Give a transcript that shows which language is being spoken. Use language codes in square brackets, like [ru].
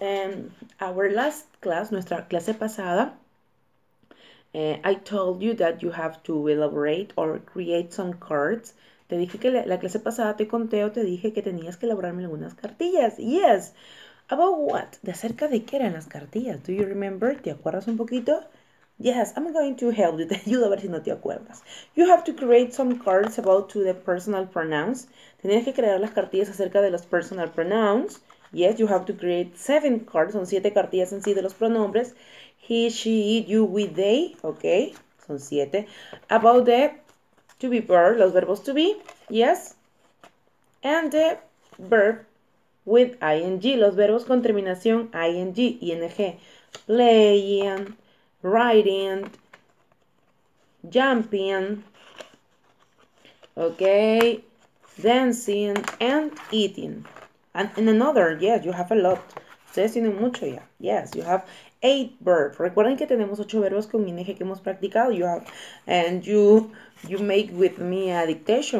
[en] In our last class, [es] nuestra clase pasada, [en] I told you that you have to elaborate or create some cards. [es] Te dije que la clase pasada te conté o te dije que tenías que elaborarme algunas cartillas. [en] Yes. About what? [es] ¿De acerca de qué eran las cartillas? [en] Do you remember? [es] ¿Te acuerdas un poquito? [en] Yes, I'm going to help you. [es] Te ayudo a ver si no te acuerdas. [en] You have to create some cards about to the personal pronouns. [es] Tienes que crear las cartillas acerca de los personal pronouns. [en] Yes, you have to create 7 cards. [es] Son 7 cartillas en sí de los pronombres. [en] He, she, it, you, we, they. Ok, [es] son 7. [en] About the to be verb, los verbos to be. Yes. And the verb with ing. [es] Los verbos con terminación ing, ing. [en] Playing. Riding, jumping, okay, dancing, and eating. And another, yes, you have a lot. [es] Ustedes tienen mucho ya. [en] Yes, you have 8 verbs. [es] Recuerden que tenemos 8 verbos con ing que hemos practicado. [en] You have, and you make with me a dictation.